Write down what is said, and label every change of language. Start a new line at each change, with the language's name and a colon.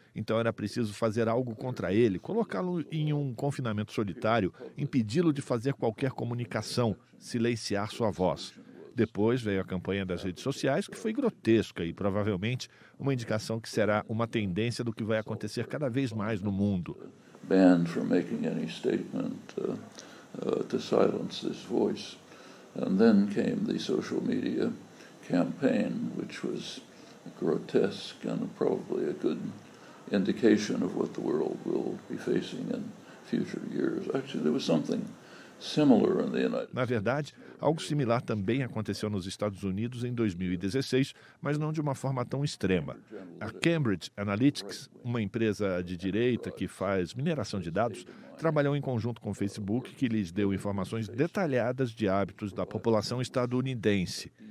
Portuguese: Então era preciso fazer algo contra ele, colocá-lo em um confinamento solitário, impedi-lo de fazer qualquer comunicação, silenciar sua voz. Depois veio a campanha das redes sociais, que foi grotesca e provavelmente uma indicação que será uma tendência do que vai acontecer cada vez mais no mundo.
English: Banned from making any statement to silence this voice. And then came the social media campaign, which was grotesque and probably a good indication of what the world will be facing in future years. Actually, there was something similar in the United States.
Portuguese: Na verdade, algo similar também aconteceu nos Estados Unidos em 2016, mas não de uma forma tão extrema. A Cambridge Analytics, uma empresa de direita que faz mineração de dados, trabalhou em conjunto com o Facebook, que lhes deu informações detalhadas de hábitos da população estadunidense.